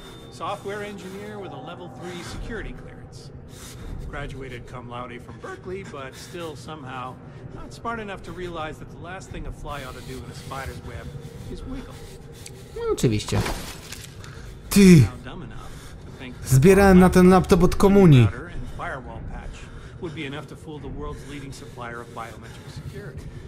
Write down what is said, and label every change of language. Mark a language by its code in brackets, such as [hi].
[en] Software engineer with a level 3 security clearance. Graduated cum laude from Berkeley, but still somehow not smart enough to realize that the last thing a fly ought to do in a spider's web is wiggle. [pl] No, oczywiście. Ty! Zbierałem na ten laptop od komuni. [en] Firewall patch would be enough to fool the world's leading supplier of biometric security.